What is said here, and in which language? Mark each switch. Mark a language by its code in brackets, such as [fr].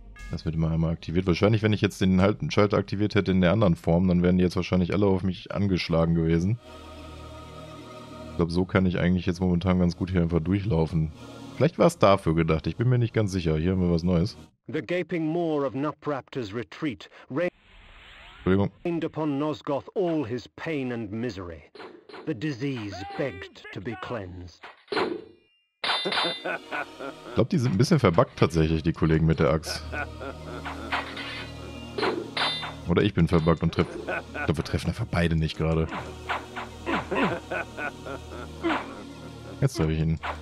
[de] Das wird immer einmal aktiviert. Wahrscheinlich, wenn ich jetzt den Schalter aktiviert hätte in der anderen Form, dann wären die jetzt wahrscheinlich alle auf mich angeschlagen gewesen. Ich glaube, so kann ich eigentlich jetzt momentan ganz gut hier einfach durchlaufen. Vielleicht war es dafür gedacht, ich bin mir nicht ganz sicher. Hier haben wir was Neues. [en] The gaping maw of Nutraptor's retreat rained upon Nosgoth all his pain and misery. The disease begged to be cleansed. [de] Ich glaube, die sind ein bisschen verbuggt tatsächlich, die Kollegen mit der Axt. Oder ich bin verbuggt und treffe. Ich glaube, wir treffen einfach beide nicht gerade. Jetzt treffe ich ihn.